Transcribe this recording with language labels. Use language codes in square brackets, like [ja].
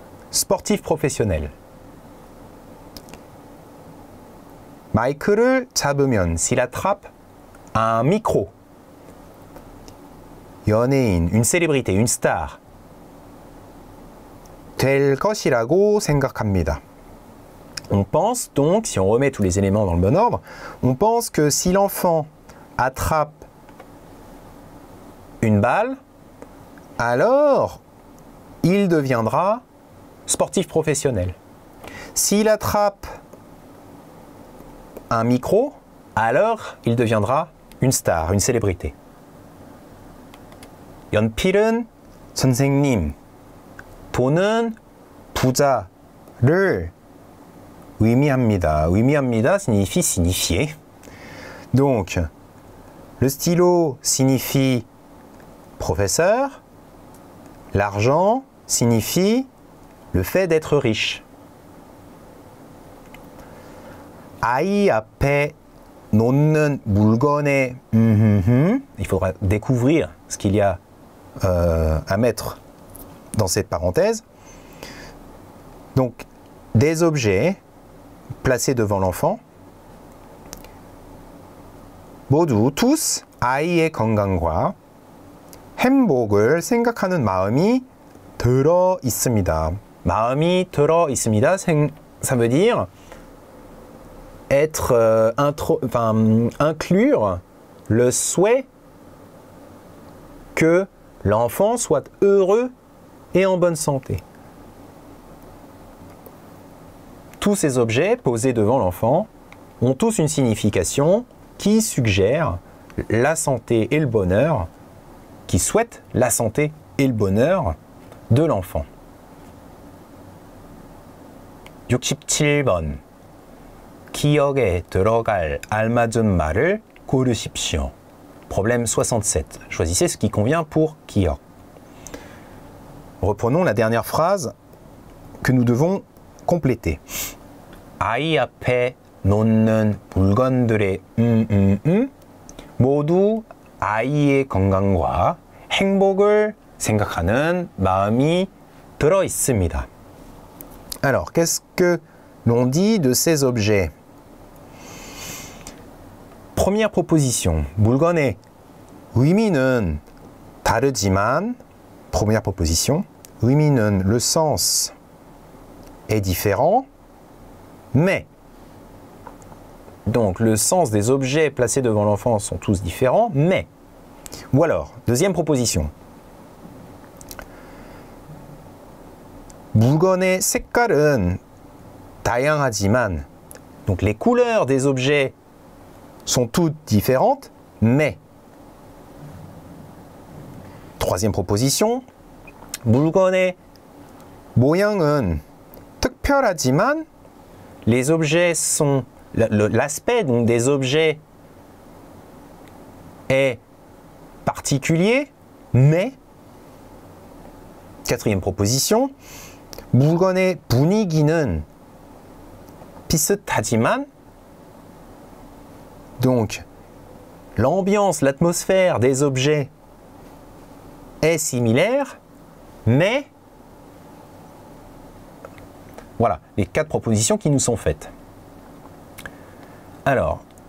[fr] Sportif professionnel. [ko] 마이크를 잡으면, [fr] s'il attrape un micro. 연예인, une célébrité, une star. [ko] 될 것이라고 생각합니다. [fr] On pense donc, si on remet tous les éléments dans le bon ordre, on pense que si l'enfant attrape une balle, alors il deviendra sportif professionnel. S'il attrape un micro, alors il deviendra une star, une célébrité. [ko] 연필은 선생님, 돈은 부자를 의미합니다. [fr] 의미합니다 signifie signifier. Donc, le stylo signifie professeur, l'argent signifie le fait d'être riche. [ko] 아이 앞에 놓는 물건에 [fr] il faudra découvrir ce qu'il y a à mettre dans cette parenthèse. Donc, des objets placé devant l'enfant. [ko] 모두, tous, 아이의 건강과 행복을 생각하는 마음이 들어 있습니다. 마음이 들어 있습니다. [fr] Ça veut dire être inclure le souhait que l'enfant soit heureux et en bonne santé. Tous ces objets posés devant l'enfant ont tous une signification qui suggère la santé et le bonheur, qui souhaite la santé et le bonheur de l'enfant. [ko] 67번 기억에 들어갈 알맞은 말을 고르십시오. [fr] Problème 67. Choisissez ce qui convient pour 기억. Reprenons la dernière phrase que nous devons compléter. [ko] 아이 앞에 놓는 물건들의 모두 아이의 건강과 행복을 생각하는 마음이 들어 있습니다. [fr] Alors, qu'est-ce que l'on dit de ces objets? Première proposition, [ko] 물건의 의미는 다르지만, [fr] première proposition, 의미는 le sens est différent. Mais, donc le sens des objets placés devant l'enfant sont tous différents, mais, ou alors, deuxième proposition. [ko] 물건의 색깔은 다양하지만, [fr] donc les couleurs des objets sont toutes différentes, mais, troisième proposition. [ko] 물건의 모양은 특별하지만, [fr] les objets sont, l'aspect donc des objets est particulier, mais, quatrième proposition, [ko] 물건의 분위기는 비슷하지만, [fr] donc l'ambiance, l'atmosphère des objets est similaire, mais, voilà, les quatre propositions qui nous sont faites. Alors,